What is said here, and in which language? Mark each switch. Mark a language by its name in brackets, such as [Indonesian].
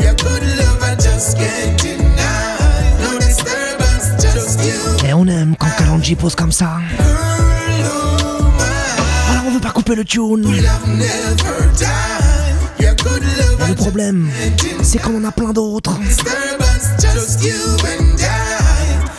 [English] Your good love I just can't deny. No disturbance, just you. [French] Et on aime quand Kalanji pose comme ça. [English] Girl, oh my. [French] Alors on veut pas couper le tune. [English] Love never die. Your good love. [French] Et le problème, c'est qu'on en a plein d'autres. [English] Disturbance, just you and I.